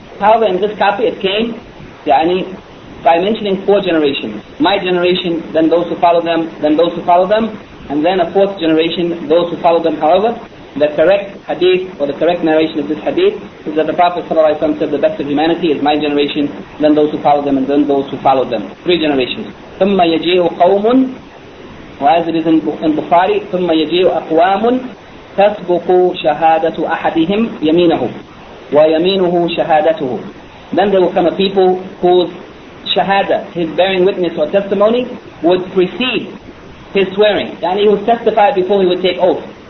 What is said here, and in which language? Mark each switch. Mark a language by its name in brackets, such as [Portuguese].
[English] However, in this copy it came, yani, by mentioning four generations, my generation, then those who follow them, then those who follow them, and then a fourth generation, those who follow them. However, the correct hadith, or the correct narration of this hadith, is that the Prophet ﷺ said, the best of humanity is my generation, then those who follow them, and then those who follow them. Three generations. [Arabic] ثُمَّ يَجِيءُ قَوْمٌ, [English] or as it is in Bukhari, [Arabic] ثُمَّ يَجِيءُ أَقْوَامٌ تَسْبُقُ شَهَادَةُ أَحَدِهِمْ يَمِينَهُ وَيَمِينُهُ شَهَادَتُهُ. [English] Then there will come a people whose shahada, his bearing witness or testimony, would precede his swearing, and he would testify before he would take oath.